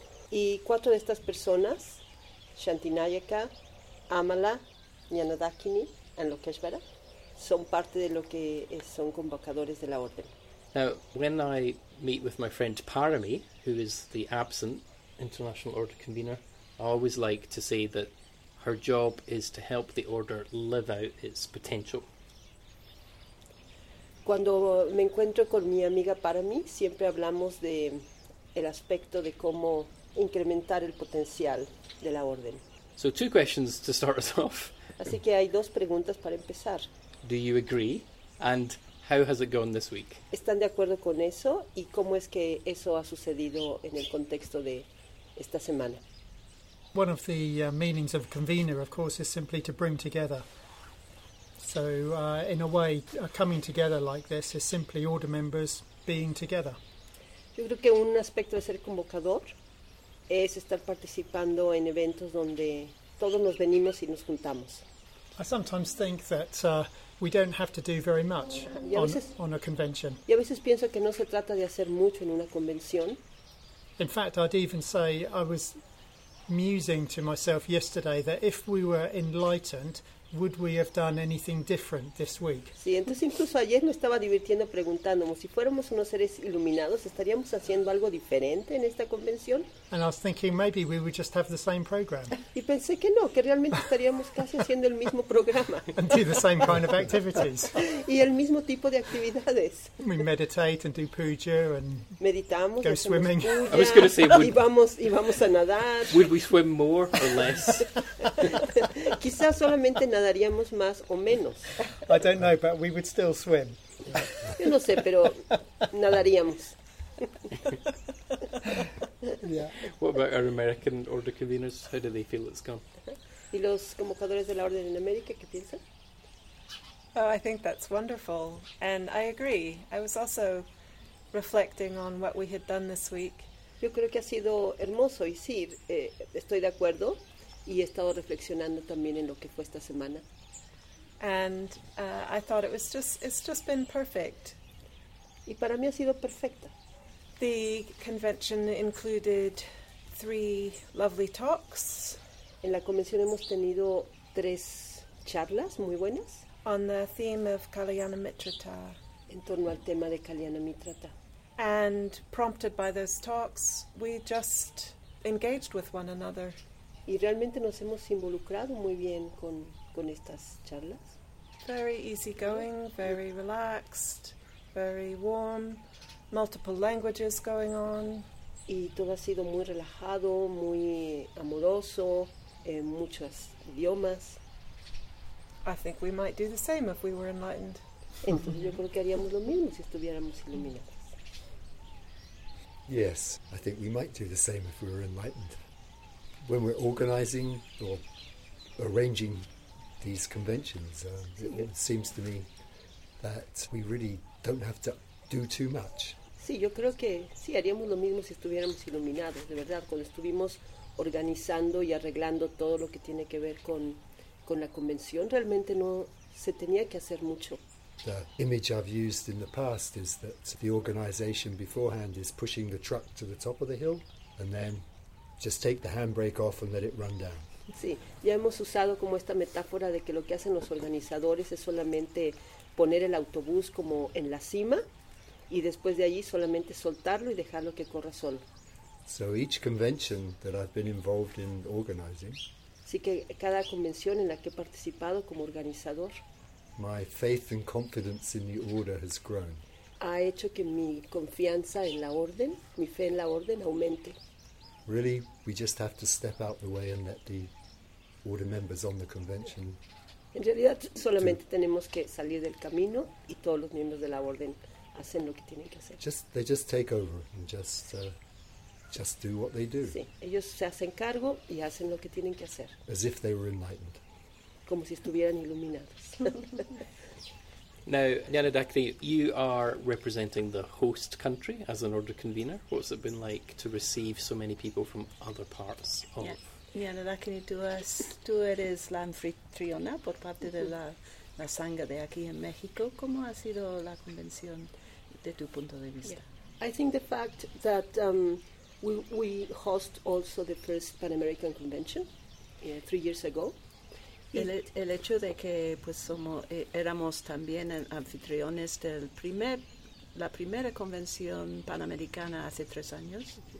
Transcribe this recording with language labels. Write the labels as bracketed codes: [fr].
[es] Y cuatro de estas personas, Shanti Nayaka, Amala, Nyena Dakini, and Lokeshwara, son parte de lo que son convocadores de la orden. [en] Now, when I meet with my friend Parami, who is the absent international order convener, I always like to say that her job is to help the order live out its potential. [es] Cuando me encuentro con mi amiga Parami, siempre hablamos de el aspecto de cómo incrementar el potencial de la orden. [en] So two questions to start us off. [es] Así que hay dos preguntas para empezar. [en] Do you agree? And how has it gone this week? [es] ¿Están de acuerdo con eso? ¿Y cómo es que eso ha sucedido en el contexto de esta semana? [en] One of the meanings of convener, of course, is simply to bring together. So, in a way, coming together like this is simply order members being together. [es] Yo creo que un aspecto de ser convocador es estar participando en eventos donde todos nos venimos y nos juntamos. [en] I sometimes think that we don't have to do very much on a convention. [es] Y a veces pienso que no se trata de hacer mucho en una convención. [en] In fact, I'd even say I was musing to myself yesterday that if we were enlightened, would we have done anything different this week? [es] Sí, entonces incluso ayer me estaba divirtiendo preguntándome si fuéramos unos seres iluminados, ¿estaríamos haciendo algo diferente en esta convención? [en] And I was thinking maybe we would just have the same program. [es] Y pensé que no, que realmente estaríamos casi haciendo el mismo programa. [en] And do the same kind of activities. [es] Y el mismo tipo de actividades. [en] We meditate and do puja and [es] meditamos, [en] go swimming. Puya, I was going to say, [es] y vamos a nadar. [en] Would we swim more or less? [es] Quizás solamente nadaríamos más o menos. [en] I don't know, but we would still swim. [es] Yo no sé, pero nadaríamos. [en] Yeah. What about our American order conveners? How do they feel it's gone? [es] ¿Y los convocadores de la orden en América qué piensan? [en] Oh, I think that's wonderful. And I agree. I was also reflecting on what we had done this week. [es] Yo creo que ha sido hermoso, y sí, estoy de acuerdo. Y he estado reflexionando también en lo que fue esta semana. [en] And I thought it was just—it's just been perfect. [es] Y para mí ha sido perfecta. [en] The convention included three lovely talks. [es] En la convención hemos tenido tres charlas muy buenas. [en] On the theme of Kalyana Mitrata. [es] En torno al tema de Kalyana Mitrata. [en] And prompted by those talks, we just engaged with one another. [es] Y realmente nos hemos involucrado muy bien con estas charlas. [en] Very easy going, very relaxed, very warm, multiple languages going on. [es] Y todo ha sido muy relajado, muy amoroso, en muchos idiomas. [en] I think we might do the same if we were enlightened. [es] Entonces yo creo que haríamos lo mismo si estuviéramos iluminados. [en] Yes, I think we might do the same if we were enlightened. When we're organizing or arranging these conventions, it seems to me that we really don't have to do too much. [es] Sí, yo creo que sí haríamos lo mismo si estuviéramos iluminados, de verdad, cuando estuvimos organizando y arreglando todo lo que tiene que ver con la convención, realmente no se tenía que hacer mucho. [en] The image I've used in the past is that the organization beforehand is pushing the truck to the top of the hill and then just take the handbrake off and let it run down. [es] Sí, ya hemos usado como esta metáfora de que lo que hacen los organizadores es solamente poner el autobús como en la cima y después de allí solamente soltarlo y dejarlo que corra solo. [en] So each convention that I've been involved in organizing. [es] Así que cada convención en la que he participado como organizador. [en] My faith and confidence in the order has grown. [es] Ha hecho que mi confianza en la orden, mi fe en la orden aumente. [en] Really, we just have to step out the way and let the order members on the convention. [es] En realidad solamente tenemos que salir del camino y todos los miembros de la orden hacen lo que tienen que hacer. [en] They just take over and just do what they do. [es] Sí, ellos se hacen cargo y hacen lo que tienen que hacer. [en] As if they were enlightened. [es] Como si estuvieran iluminados. [en] Now, Nyanadakini, you are representing the host country as an order convener. What's it been like to receive so many people from other parts of? [es] Nyanadakini, tú eres la anfitriona por parte de la sangha de aquí en México. ¿Cómo ha sido la convención de tu punto de vista? [en] I think the fact that we host also the first Pan American Convention 3 years ago. [es] El hecho de que pues éramos también anfitriones del la primera convención panamericana hace 3 años